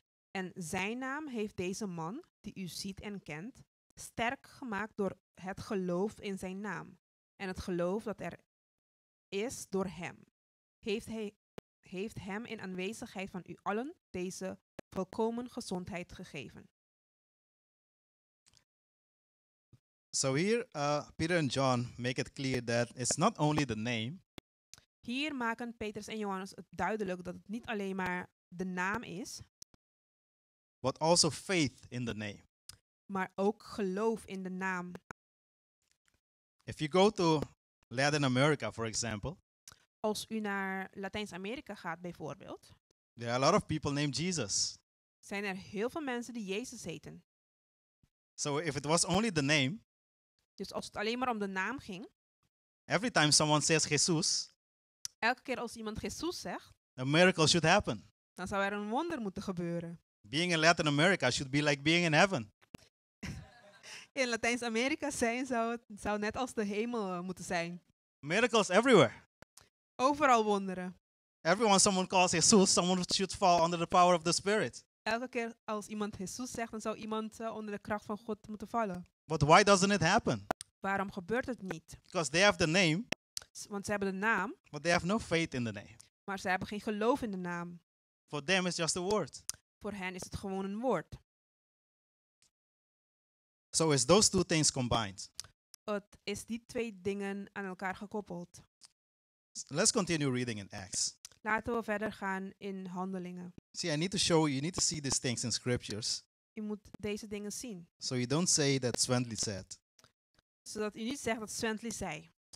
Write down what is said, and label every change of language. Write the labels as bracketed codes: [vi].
[nl] En zijn naam heeft deze man, die u ziet en kent, sterk gemaakt door het geloof in zijn naam. En het geloof dat er is door hem, heeft hem in aanwezigheid van u allen deze volkomen gezondheid gegeven. [en] So here, Peter and John make it clear that it's not only the name. [nl] Hier maken Petrus en Johannes het duidelijk dat het niet alleen maar de naam is, [en] but also faith in the name. [nl] Maar ook geloof in de naam. [en] If you go to Latin America, for example, [nl] als u naar Latijns-Amerika gaat bijvoorbeeld, [en] there are a lot of people named Jesus. [nl] Zijn er heel veel mensen die Jezus heten. [en] So if it was only the name, [nl] dus als het alleen maar om de naam ging, [en] every time someone says Jesus, [nl] elke keer als iemand Jesus zegt, [en] a miracle should happen. [nl] Dan zou er een wonder moeten gebeuren. [en] Being in Latin America should be like being in heaven. [nl] In Latijns-Amerika zijn zou net als de hemel moeten zijn. [en] Miracles everywhere. [nl] Overal wonderen. [en] Everyone, someone calls Jesus, someone should fall under the power of the Spirit. [nl] Elke keer als iemand Jesus zegt, dan zou iemand onder de kracht van God moeten vallen. [en] But why doesn't it happen? [nl] Waarom gebeurt het niet? [en] Because they have the name. [nl] Want ze hebben de naam. [en] But they have no faith in the name. [nl] Maar ze hebben geen geloof in de naam. [en] For them it's just a word. [nl] Voor hen is het gewoon een woord. [en] So is those two things combined. [nl] Het is die twee dingen aan elkaar gekoppeld. [en] Let's continue reading in Acts. [nl] Laten we verder gaan in Handelingen. [en] See, I need to show you, you need to see these things in scriptures. [nl] Je moet deze dingen zien. [en] So you don't say that Swendley said. [nl] Zodat u niet zegt dat Swendley zei.